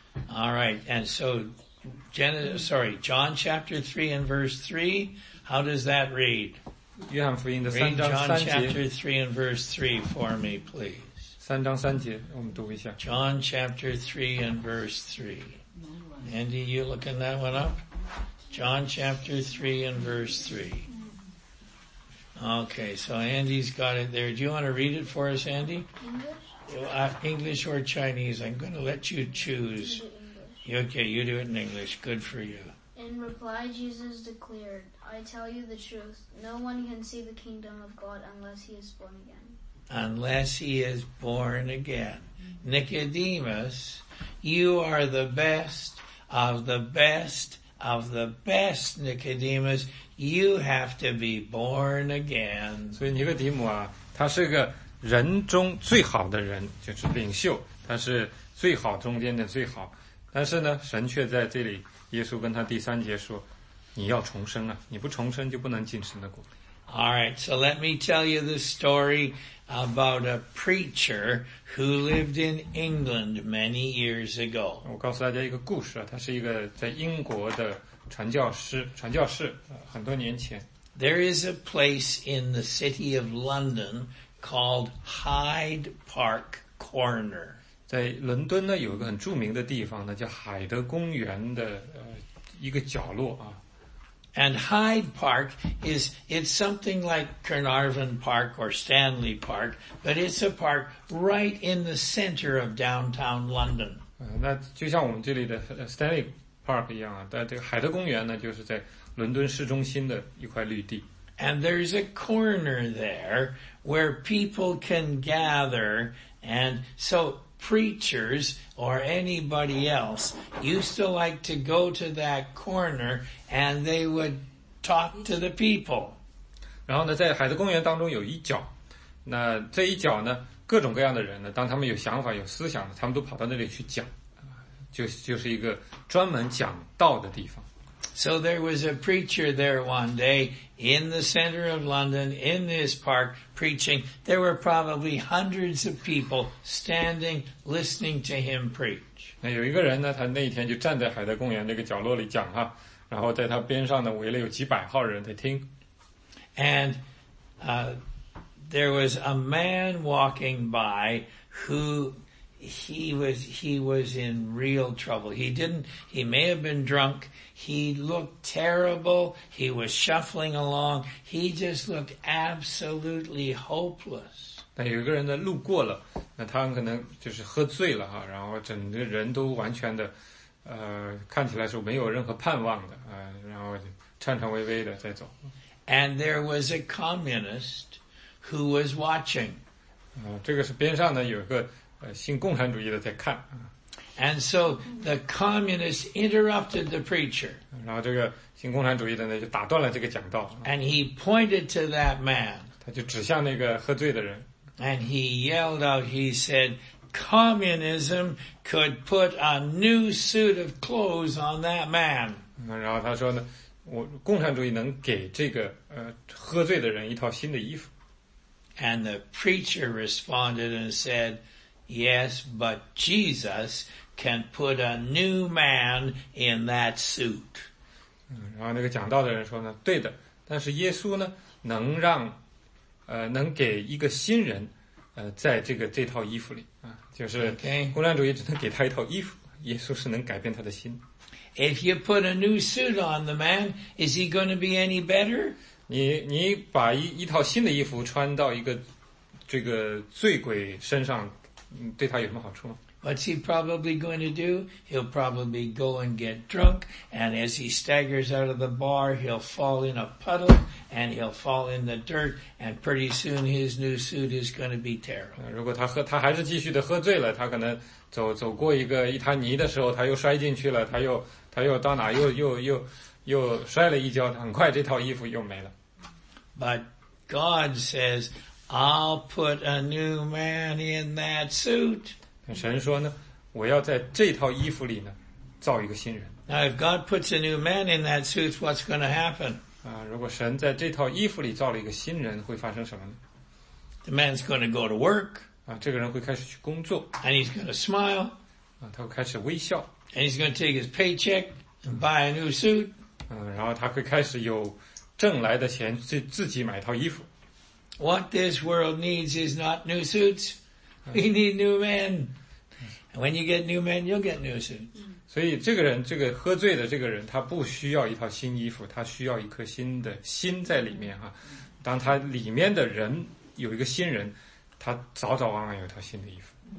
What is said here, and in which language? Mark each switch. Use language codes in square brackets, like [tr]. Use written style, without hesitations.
[en] All right, and so, John chapter 3 and verse 3, how does that read? [zh] 约翰福音的三章三节。 [en] Read John chapter 3 and verse 3 for me, please. [zh] 三章三节，我们读一下。 [en] John chapter 3 and verse 3. Andy, you looking that one up? John chapter 3 and verse 3. Okay, so Andy's got it there. Do you want to read it for us, Andy? English or Chinese? I'm going to let you choose. Okay, you do it in English. Good for you. In reply, Jesus declared, I tell you the truth. No one can see the kingdom of God unless he is born again. Unless he is born again. Nicodemus, you are the best of the best. Of the best, Nicodemus, you have to be born again. [zh] 所以尼哥底母啊，他是个人中最好的人，就是领袖，他是最好中间的最好。但是呢，神却在这里，耶稣跟他第三节说，你要重生啊，你不重生就不能进神的国。 [en] All right, so let me tell you the story about a preacher who lived in England many years ago. [zh] 我告诉大家一个故事啊，他是一个在英国的传教士，很多年前。 [en] There is a place in the city of London called Hyde Park Corner. [zh] 在伦敦呢，有一个很著名的地方呢，叫海德公园的一个角落啊。 [en] And Hyde Park is something like Carnarvon Park or Stanley Park, but it's a park right in the center of downtown London. [zh] 那就像我们这里的 Stanley Park 一样啊，但这个海德公园呢，就是在伦敦市中心的一块绿地。 [en] And there's a corner there where people can gather, and so preachers or anybody else used to like to go to that corner and they would talk to the people. [zh] 然后呢，在海德公园当中有一角，那这一角呢，各种各样的人呢，当他们有想法、有思想的，他们都跑到那里去讲，就是一个专门讲道的地方。 [en] So there was a preacher there one day in the center of London, in this park, preaching. There were probably hundreds of people standing, listening to him preach. [zh] 那有一个人呢，他那一天就站在海德公园那个角落里讲哈，然后在他边上呢围了有几百号人在听。 [en] And, there was a man walking by who he was in real trouble. He may have been drunk. He looked terrible. He was shuffling along. He just looked absolutely hopeless. [zh] 但有一个人呢路过了，那他可能就是喝醉了哈，然后整个人都完全的，看起来是没有任何盼望的，然后颤颤巍巍的在走。 [en] And there was a communist who was watching. [zh] 这个是边上呢有一个新共产主义的在看。 [en] And so the communist interrupted the preacher. [zh] 然后这个新共产主义的呢就打断了这个讲道。 [en] And he pointed to that man. [zh] 他就指向那个喝醉的人。 [en] And he yelled out, he said, communism could put a new suit of clothes on that man. [zh] 然后他说呢我共产主义能给这个喝醉的人一套新的衣服。 [en] And the preacher responded and said, yes, but Jesus can put a new man in that suit. [zh] 然后那个讲道的人说呢对的但是耶稣呢能让能给一个新人在这套衣服里。就是共产主义只能给他一套衣服耶稣是能改变他的心。 [en] If you put a new suit on the man, is he going to be any better? [zh] 你把一套新的衣服穿到一个这个醉鬼身上，对他有什么好处吗？ [en] What's he probably going to do? He'll probably go and get drunk, and as he staggers out of the bar, he'll fall in a puddle, and he'll fall in the dirt, and pretty soon his new suit is going to be terrible. [zh] 如果他还是继续的喝醉了，他可能走过一滩泥的时候，他又摔进去了，他又到哪又摔了一跤，很快这套衣服又没了。 [en] But God says, I'll put a new man in that suit. [zh] 神说呢，我要在这套衣服里呢，造一个新人。 [en] Now if God puts a new man in that suit, what's going to happen? [zh] 如果神在这套衣服里造了一个新人，会发生什么呢？ [en] The man's going to go to work. [zh] 这个人会开始去工作。 [en] And he's going to smile. [zh] 他会开始微笑。 [en] And he's going to take his paycheck and buy a new suit. [zh] 然后他会开始有挣来的钱去自己买一套衣服。 [en] What this world needs is not new suits. We need new men. And when you get new men, you'll get new suits. [zh] 所以这个人，这个喝醉的这个人，他不需要一套新衣服，他需要一颗新的心在里面啊。当他里面的人有一个新人，他早早晚晚有一套新的衣服。